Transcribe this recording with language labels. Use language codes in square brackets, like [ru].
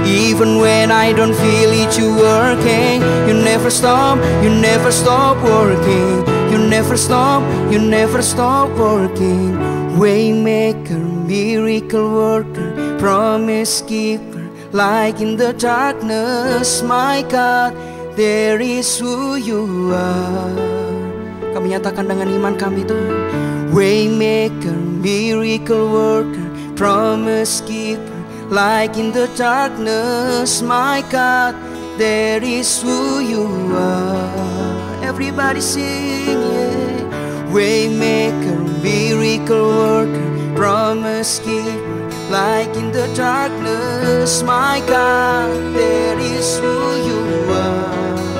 [en] Even when I don't feel it, you working. You never stop, you never stop working. You never stop, you never stop working. Waymaker, miracle worker, promise keeper, light in the darkness, my God, there is who you are. [id] Kami nyatakan dengan iman kami Tuhan. [en] Waymaker, miracle worker, promise keeper, like in the darkness, my God, there is who you are. Everybody sing, yeah. Waymaker, miracle worker, promise keeper, like in the darkness, my God, there is who you are.